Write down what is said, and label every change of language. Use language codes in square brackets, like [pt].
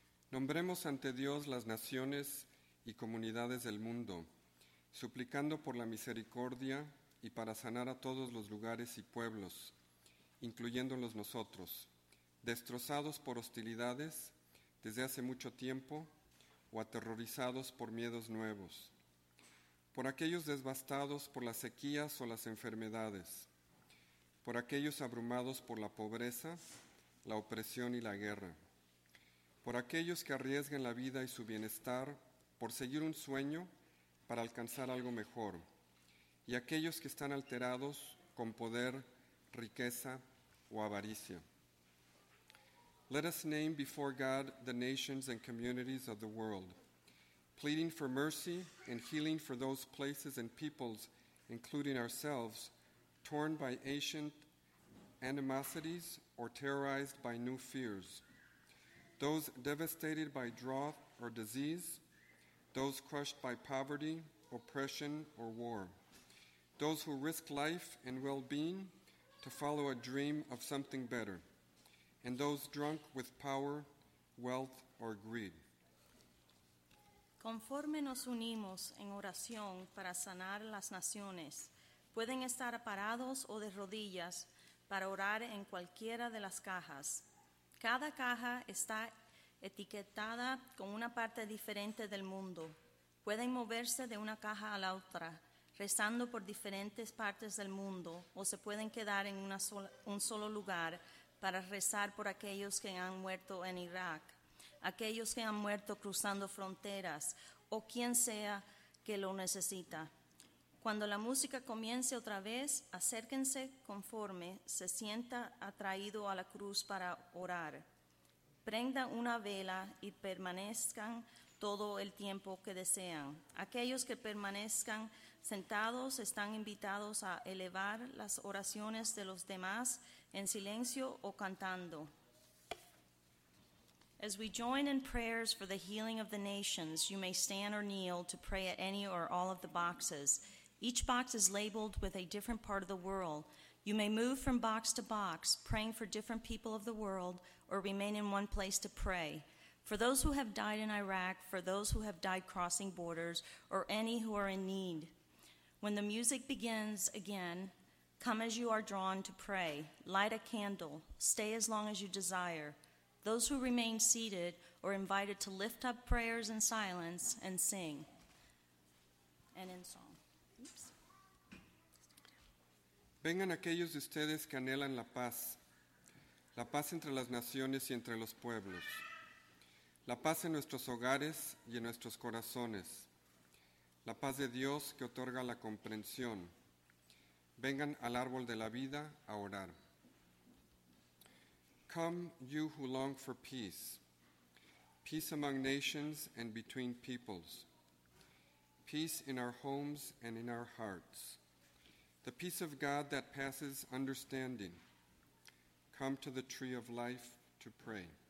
[es] Nombremos ante Dios las naciones y comunidades del mundo, suplicando por la misericordia y para sanar a todos los lugares y pueblos, incluyéndolos nosotros, destrozados por hostilidades desde hace mucho tiempo o aterrorizados por miedos nuevos, por aquellos devastados por las sequías o las enfermedades, por aquellos abrumados por la pobreza, la opresión y la guerra, por aquellos que arriesgan la vida y su bienestar por seguir un sueño para alcanzar algo mejor, y aquellos que están alterados con poder, riqueza o avaricia. [en] Let us name before God the nations and communities of the world, pleading for mercy and healing for those places and peoples, including ourselves, torn by ancient animosities or terrorized by new fears, those devastated by drought or disease, those crushed by poverty, oppression, or war, those who risk life and well-being to follow a dream of something better, and those drunk with power, wealth, or greed. [es] Conforme nos unimos en oración para sanar las naciones, pueden estar parados o de rodillas para orar en cualquiera de las cajas. Cada caja está etiquetada con una parte diferente del mundo. Pueden moverse de una caja a la otra, rezando por diferentes partes del mundo, o se pueden quedar en un solo lugar para rezar por aquellos que han muerto en Irak, aquellos que han muerto cruzando fronteras, o quien sea que lo necesita. Cuando la música comience otra vez, acérquense conforme se sienta atraído a la cruz para orar. Prenda una vela y permanezcan todo el tiempo que desean. Aquellos que permanezcan sentados están invitados a elevar las oraciones de los demás en silencio o cantando. [en] As we join in prayers for the healing of the nations, you may stand or kneel to pray at any or all of the boxes. Each box is labeled with a different part of the world. You may move from box to box, praying for different people of the world, or remain in one place to pray. For those who have died in Iraq, for those who have died crossing borders, or any who are in need. When the music begins again, come as you are drawn to pray. Light a candle. Stay as long as you desire. Those who remain seated are invited to lift up prayers in silence and sing. And in song. [es] Vengan aquellos de ustedes que anhelan la paz entre las naciones y entre los pueblos, la paz en nuestros hogares y en nuestros corazones, la paz de Dios que otorga la comprensión. Vengan al árbol de la vida a orar. [en] Come, you who long for peace, peace among nations and between peoples, peace in our homes and in our hearts. The peace of God that passes understanding. Come to the tree of life to pray.